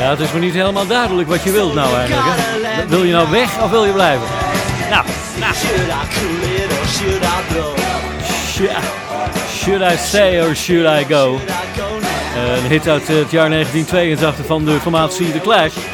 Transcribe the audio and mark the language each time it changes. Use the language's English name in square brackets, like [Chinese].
[Dutch] Ja, het is me niet helemaal duidelijk wat je wilt nou eigenlijk. Hè? Wil je nou weg of wil je blijven? Nou, nou. [English] Should I cool it or should I go? Should I stay or should I go? [Dutch] Een hit uit het jaar 1982 van de formatie The Clash.